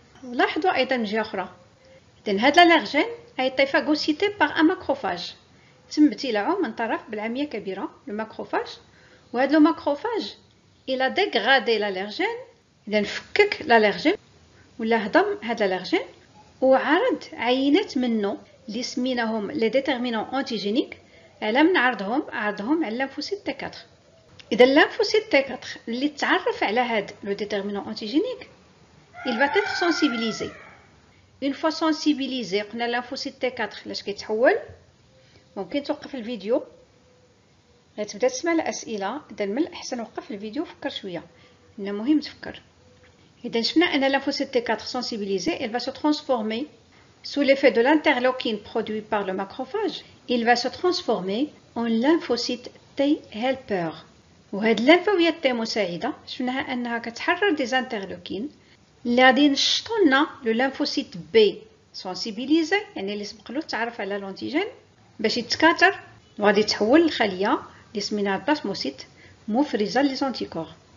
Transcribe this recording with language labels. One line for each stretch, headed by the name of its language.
Arabic: لاحظوا ايضا من جهه اخرى، إذن هاد الألرجين أي طيفاغوسيتي باغ أن ماكروفاج، تم ابتلاعو من طرف بلعامية كبيرة لو ماكروفاج، وهاد لو ماكروفاج إلا ديكغادي الألرجين، إذن فكك الألرجين ولا هضم هاد الألرجين، وعرض عينات منو لي سميناهم لي ديتيرمينون أونتيجينيك، على من عرضهم؟ عرضهم على لانفوسيت تي كاتر. إذا اللامفوسيت تي 4 اللي تعرف على هاد لو ديتيرمينون أنتيجينيك
French: il va être sensibilisé. Une fois sensibilisé, on a lymphocyte T4
Arabic: لاش كيتحول. ممكن توقف الفيديو غتبدا تسمع الاسئله. اذا من الاحسن وقف الفيديو فكر شويه، انه مهم تفكر. اذا شفنا ان
French: لامفوسيت T4 sensibilisé il va se transformer sous l'effet de l'interleukine produit par le macrophage, il va se transformer en lymphocyte T helper.
Arabic: وهاد اللمفاويه التي مساعده شفناها انها كتحرر دي زانترلوكين اللي غادي نشطوا لنا لو لامفوسيت بي سونسيبيليزي، يعني اللي سبق له تعرف على لونتيجين باش يتكاثر، وغادي تحول الخليه اللي سميناها بلاسموسيت مفرزه لي زونتيكور.